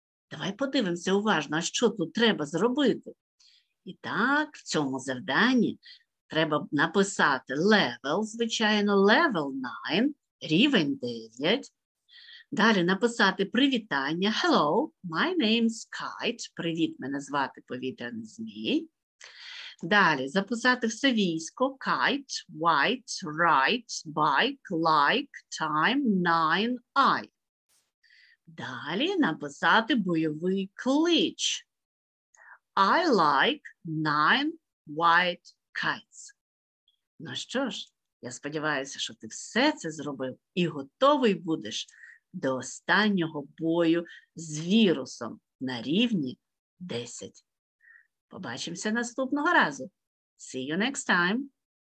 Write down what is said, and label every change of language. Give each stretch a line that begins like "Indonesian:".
Ukrainian: Давай подивимося уважно, а що тут треба зробити. І так, в цьому завданні треба написати level, звичайно, level 9, рівень 9. Далі написати привітання,
English: hello, my name's kite,
Ukrainian: привіт, мене звати повітряний змій. Далі, записати все військо.
English: Kite, white, right, bike, like, time, nine, I.
Ukrainian: Далі, написати бойовий клич.
English: I like nine white kites.
Ukrainian: Ну що ж, я сподіваюся, що ти все це зробив і готовий будеш до останнього бою з вірусом на рівні 10. Побачимося наступного разу.
English: See you next time.